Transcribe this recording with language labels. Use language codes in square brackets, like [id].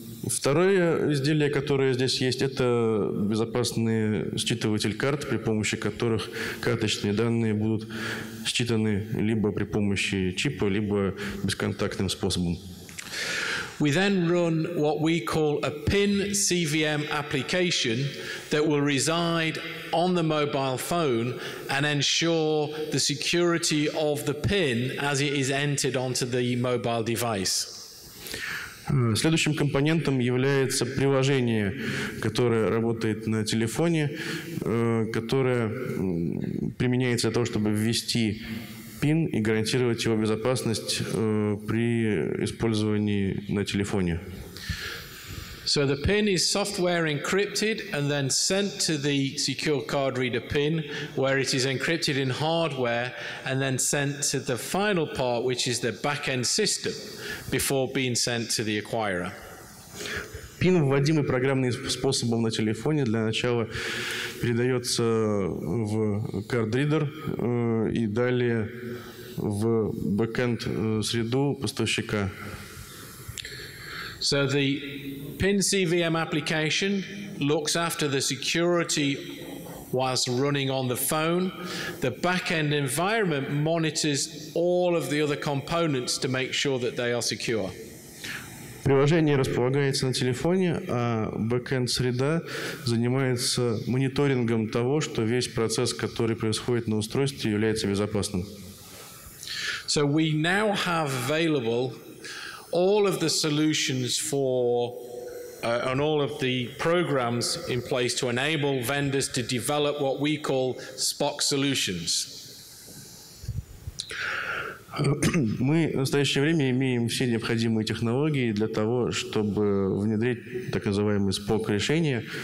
[ru] Второе изделие, которое здесь есть, это безопасный считыватель карт, при помощи которых карточные данные будут считаны либо при помощи чипа, либо бесконтактным способом. [en] We then run what we call a PIN CVM application that will reside on the mobile phone and ensure the security of the PIN as it is entered onto the mobile device. [ru] Следующим компонентом является приложение, которое работает на телефоне, которое применяется для того, чтобы ввести PIN и гарантировать его безопасность при использовании на телефоне. [en] So the PIN is software encrypted and then sent to the secure card reader PIN, where it is encrypted in hardware and then sent to the final part, which is the back-end system, before being sent to the acquirer. [ru] PIN, вводимый программным способом на телефоне, для начала передается в кардридер и далее в бэкенд среду поставщика. [en] So the PIN CVM application looks after the security whilst running on the phone. The backend environment monitors all of the other components to make sure that they are secure. [ru] Приложение располагается на телефоне, а бэкэнд-среда занимается мониторингом того, что весь процесс, который происходит на устройстве, является безопасным. [en] So we now have available all of the solutions for and all of the programs in place to enable vendors to develop what we call SPOC solutions. [ru] Мы в настоящее время имеем все необходимые технологии для того, чтобы внедрить так называемые SPOC-решения.